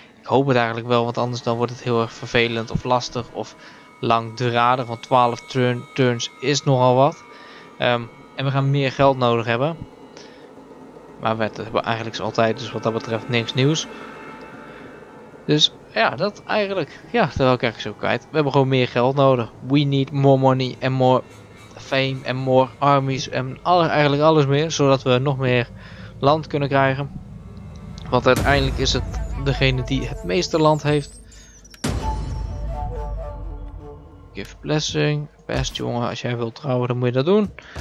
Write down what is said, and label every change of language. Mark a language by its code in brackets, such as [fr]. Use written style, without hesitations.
[nl] Ik hoop het eigenlijk wel, want anders dan wordt het heel erg vervelend of lastig of langdradig. Want 12 turns is nogal wat. En we gaan meer geld nodig hebben. Maar we hebben eigenlijk altijd, dus wat dat betreft niks nieuws. Dus ja, dat eigenlijk. Ja, dat wil ik eigenlijk zo kwijt. We hebben gewoon meer geld nodig. [en] We need more money and more fame and more armies. [nl] En eigenlijk alles meer, zodat we nog meer land kunnen krijgen. Want uiteindelijk is het degene die het meeste land heeft. [en] Give blessing. [nl] Best jongen, als jij wilt trouwen, dan moet je dat doen.